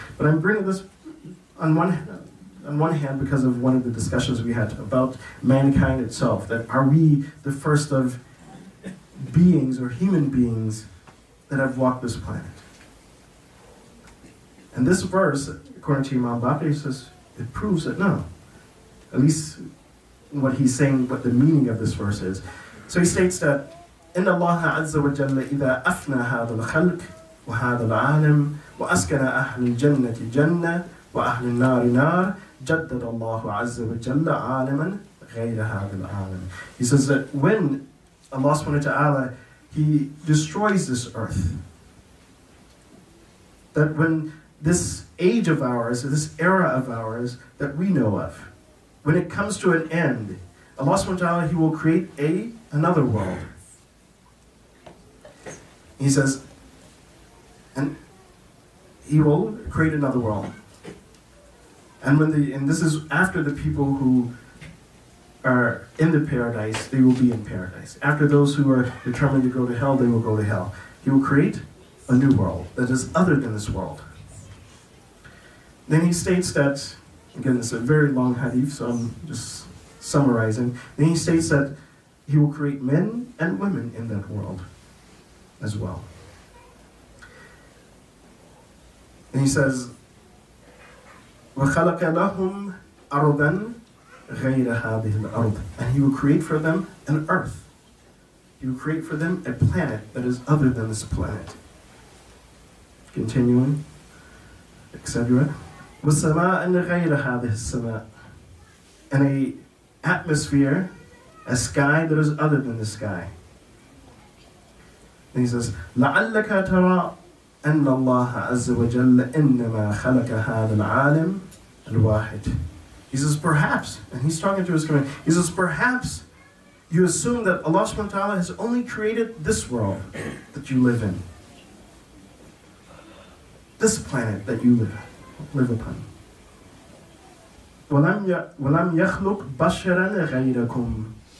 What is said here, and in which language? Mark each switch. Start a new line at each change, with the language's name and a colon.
English: But I'm bringing this on one hand because of one of the discussions we had about mankind itself, that are we the first of beings or human beings that have walked this planet? And this verse, according to Imam Baqir, says it proves that no. At least what he's saying, what the meaning of this verse is. So he states that
Arabic: إِنَّ اللَّهَ عَزَّ وَجَلَّ إِذَا أَفْنَى هَذَا الْخَلْقِ وَهَذَا الْعَالَمِ وَأَسْكَنَ أَهْلِ الْجَنَّةِ جَنَّةِ وَأَهْلِ النَّارِ نَارِ جَدَّدَ اللَّهُ عَزَّ وَجَلَّ عَالَمًا غَيْرَ هَذَا الْعَالَمِ.
English: He says that when Allah subhanahu wa ta'ala, He destroys this earth, that when this age of ours, this era of ours that we know of, when it comes to an end, Allah subhanahu wa ta'ala, He will create another world. He says, and He will create another world. And this is after the people who are in the paradise, they will be in paradise. After those who are determined to go to hell, they will go to hell. He will create a new world that is other than this world. Then he states that, again, it's a very long hadith, so I'm just summarizing. Then he states that He will create men and women in that world as well. And he says,
Arabic: وَخَلَقَ لَهُمْ أَرْضًا غَيْرَ هَذِهِ الْأَرْضِ.
English: And He will create for them an earth. He will create for them a planet that is other than this planet. Continuing, etc.
Arabic: وَسَمَاءً غَيْرَ هَذِهِ السَّمَاءِ.
English: And a atmosphere, a sky that is other than the sky. And he says,
Arabic: لَعَلَّكَ تَرَى أَنَّ اللَّهَ عَزَّ وَجَلَّ إِنَّمَا خَلَكَ هَذَا الْعَالِمِ الْوَاحِدِ.
English: He says, perhaps, and he's talking to his command, he says, perhaps you assume that Allah subhanahu wa ta'ala has only created this world that you live in, this planet that you live in. Liverpool.
Arabic: Walam yakhluq basharan ghayrakum.